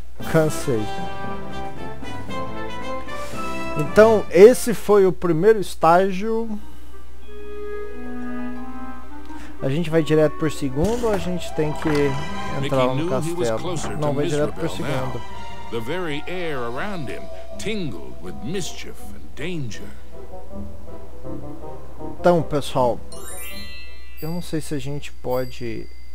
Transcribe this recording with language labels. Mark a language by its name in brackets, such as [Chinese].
[Portuguese] Cansei. Então, esse foi o primeiro estágio. A gente vai direto por segundo ou a gente tem que entrar no castelo? Não, vai direto por segundo. [English] O very air around him tingled with mischief and danger. [Portuguese] Então, pessoal, eu não sei se a gente pode...